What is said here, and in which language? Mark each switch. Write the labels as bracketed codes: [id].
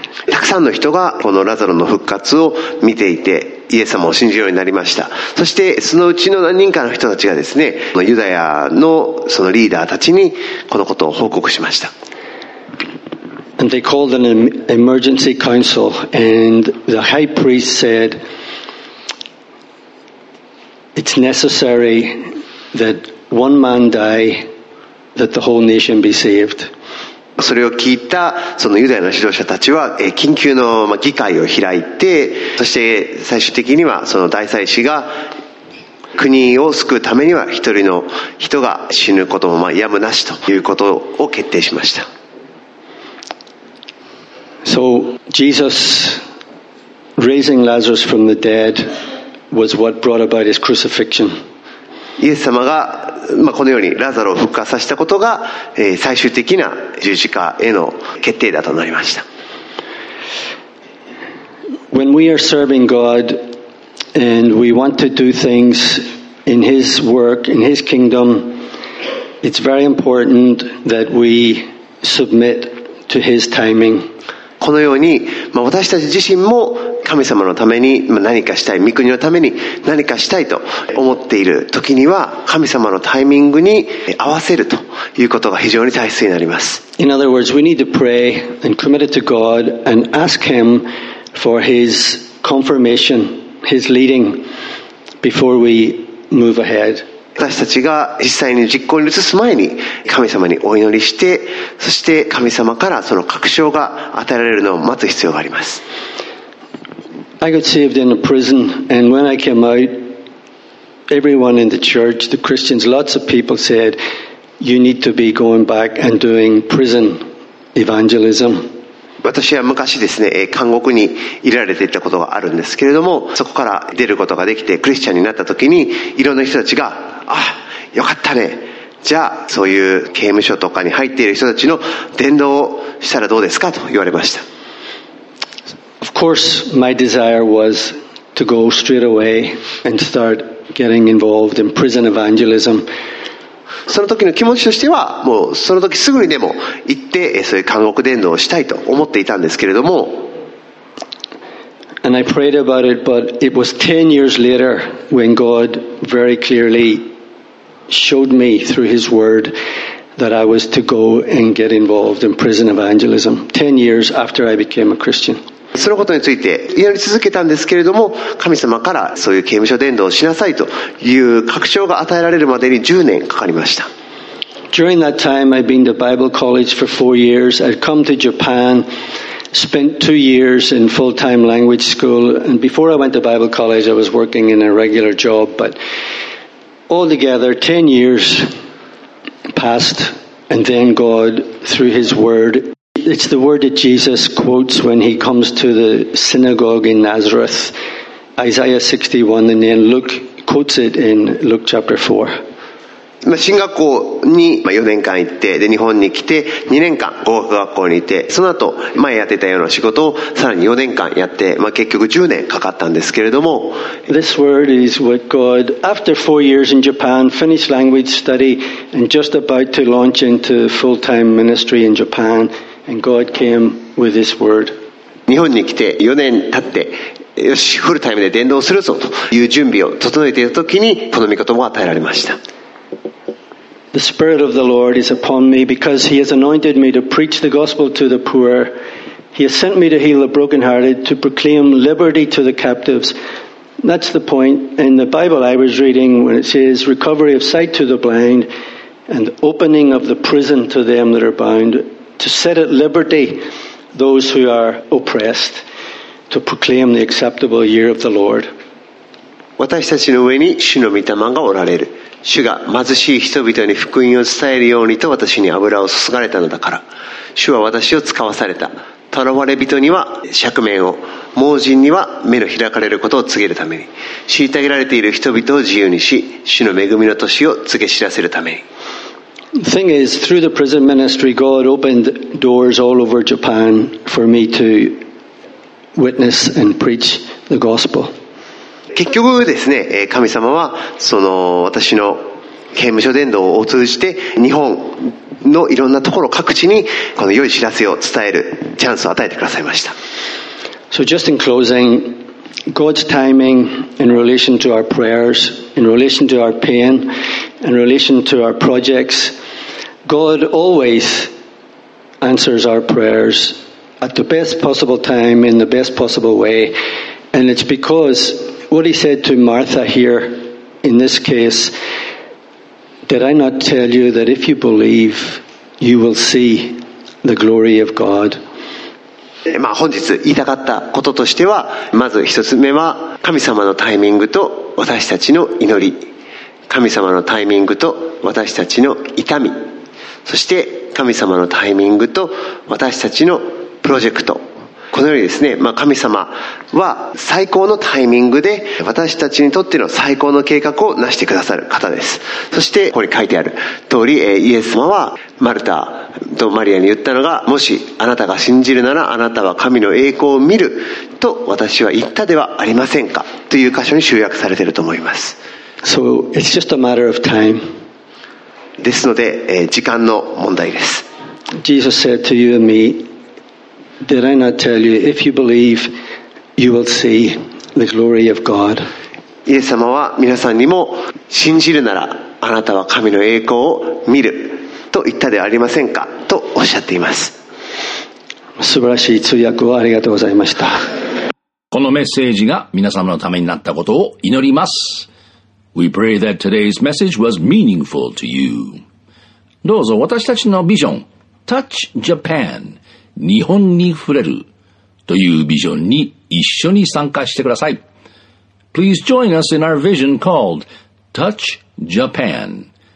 [ja] たくさんの人がこのラザロの復活を見ていて、イエス様を信じるようになりました。そしてそのうちの何人かの人たちがですね、ユダヤのそのリーダーたちにこのことを報告しました。 [en] And they called an emergency council, and the high priest said, "It's necessary that." One man die, that the whole nation be saved. [ja] それを聞いたそのユダヤの指導者たちは緊急の議会を開いて、そして最終的にはその大祭司が国を救うためには一人の人が死ぬこともやむなしということを決定しました。 [en] So Jesus raising Lazarus from the dead was what brought about his crucifixion. [ja] イエス様が、まあ、このようにラザロを復活させたことが、最終的な十字架への決定だとなりました。 [en] When we are serving God and we want to do things in His work, in His kingdom, it's very important that we submit to His timing. [ja] このように、まあ、私たち自身も神様のために何かしたい、御国のために何かしたいと思っている時には、神様のタイミングに合わせるということが非常に大切になります。 [en] In other words, we need to pray and commit it to God and ask Him for His confirmation, His leading before we move ahead. [ja] 私たちが実際に実行に移す前に神様にお祈りして、そして神様からその確証が与えられるのを待つ必要があります。 [en] I got saved in a prison, and when I came out, everyone in the church, the Christians, lots of people said, "You need to be going back and doing prison evangelism." [ja] 私は昔ですね、監獄にいられていたことがあるんですけれども、そこから出ることができてクリスチャンになった時に、いろんな人たちが、あ、よかったね。じゃあそういう刑務所とかに入っている人たちの伝道をしたらどうですかと言われました。 [en] Of course, my desire was to go straight away and start getting involved in prison evangelism. [ja] その時の気持ちとしては、もうその時すぐにでも行ってそういう監獄伝道をしたいと思っていたんですけれども。 [en] And I prayed about it, but it was 10 years later when God very clearly showed me through His Word that I was to go and get involved in prison evangelism. 10 years after I became a Christian. [ja] そのことについて祈り続けたんですけれども、神様からそういう刑務所伝道をしなさいという確証が与えられるまでに10年かかりました。 [en] During that time, I'd been to Bible college for 4 years. I'd come to Japan. Spent 2 years in full-time language school, and before I went to Bible college, I was working in a regular job. But altogether, 10 years passed, and then God, through His Word, it's the word that Jesus quotes when He comes to the synagogue in Nazareth, Isaiah 61, and then Luke quotes it in Luke chapter 4. [ja] 進学校に4年間行って、で日本に来て2年間語学学校にいて、その後前やってたような仕事をさらに4年間やって、まあ、結局10年かかったんですけれども、 [en] This word is what God, after 4 years in Japan, finished language study and just about to launch into full-time ministry in Japan, and God came with this word. [ja] 日本に来て4年経ってよしフルタイムで伝道するぞという準備を整えている時にこの御言葉を与えられました。 [en] The Spirit of the Lord is upon me because He has anointed me to preach the gospel to the poor. He has sent me to heal the brokenhearted, to proclaim liberty to the captives. That's the point in the Bible I was reading when it says recovery of sight to the blind and opening of the prison to them that are bound, to set at liberty those who are oppressed, to proclaim the acceptable year of the Lord. [ja] 私たちの上に主の御霊がおられる。主が貧しい人々に福音を伝えるようにと私に油を注がれたのだから、主は私を使わされた。囚われ人には釈明を、盲人には目の開かれることを告げるために、虐げられている人々を自由にし、主の恵みの年を告げ知らせるために。 [en] The thing is, through the prison ministry, God opened doors all over Japan for me to witness and preach the gospel. [ja] 結局ですね、神様はその私の刑務所伝道を通じて日本のいろんなところ各地にこの良い知らせを伝えるチャンスを与えてくださいました。 [en] So just in closing, God's timing in relation to our prayers, in relation to our pain, in relation to our projects, God always answers our prayers at the best possible time in the best possible way, and it's becauseWhat he said to Martha here in this case, did I not tell you that if you believe, you will see the glory of God? [ja] まあ本日言いたかったこととしては、まず一つ目は神様のタイミングと私たちの祈り、神様のタイミングと私たちの痛み、そして神様のタイミングと私たちのプロジェクト。このようにですね、まあ、神様は最高のタイミングで私たちにとっての最高の計画を成してくださる方です。そしてここに書いてある通り、イエス様はマルタとマリアに言ったのが、もしあなたが信じるならあなたは神の栄光を見ると私は言ったではありませんか、という箇所に集約されていると思います。 [en] So it's just a matter of time. [ja] ですので、時間の問題です。 [en] Jesus said to you and meDid I not tell you, if you believe, you will see the glory of God? [ja] イエス様は皆さんにも、信じるならあなたは神の栄光を見ると言ったではありませんか、とおっしゃっています。素晴らしい通訳をありがとうございました。このメッセージが皆様のためになったことを祈ります。 [en] We pray that today's message was meaningful to you. [ja] どうぞ私たちのビジョン、Touch Japan、日本に触れるというビジョンに一緒に参加してください。 [en] Please join us in our vision called Touch Japan。